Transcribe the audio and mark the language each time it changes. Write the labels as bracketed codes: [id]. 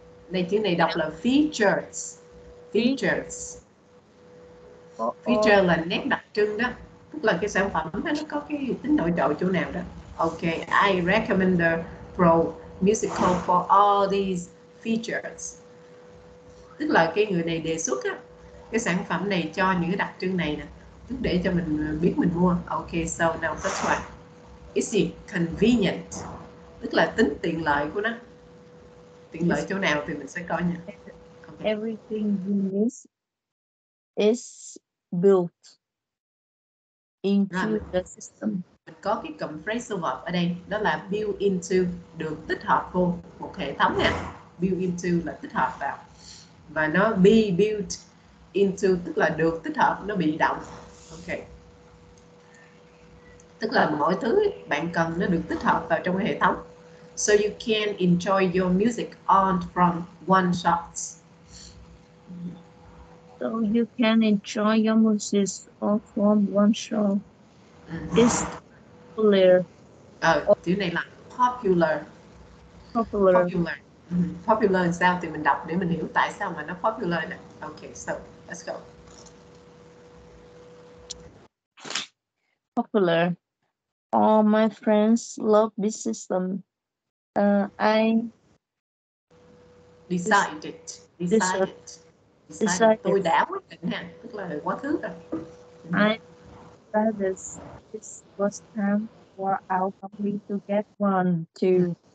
[vi] Này chữ này đọc là features. Features. Feature là nét đặc trưng đó. Tức là cái sản phẩm đó, nó có cái tính nổi trội chỗ nào đó. [en] Okay. I recommend the Pro Musical for all these features. [vi] Tức là cái người này đề xuất á, cái sản phẩm này cho những cái đặc trưng này nè, tức để cho mình biết mình mua. [en] Okay, so now first one. Is it convenient? [vi] Tức là tính tiện lợi của nó. Tiện lợi chỗ nào thì mình sẽ coi nha. [en] Okay. Everything you need is built into the system. [vi] Mình có cái compressive verb ở đây, đó là build into, được tích hợp vô một hệ thống nha. Build into là tích hợp vào. Và nó be built into, tức là được tích hợp, nó bị động. Ok. Tức là mọi thứ bạn cần nó được tích hợp vào trong hệ thống. [en] So you can enjoy your music on from one shot. So you can enjoy your music on from one shot. It's clear. [vi] Chữ này là popular. Mm-hmm. Popular làm sao thì mình đọc để mình hiểu tại sao mà nó popular nè. [en] Okay, so let's go. Popular. All my friends love this system. I decided. [vi] Tôi đã quyết định nè, tức là quá khứ rồi. Mm-hmm. [en] I decided this was time for our family to get one too.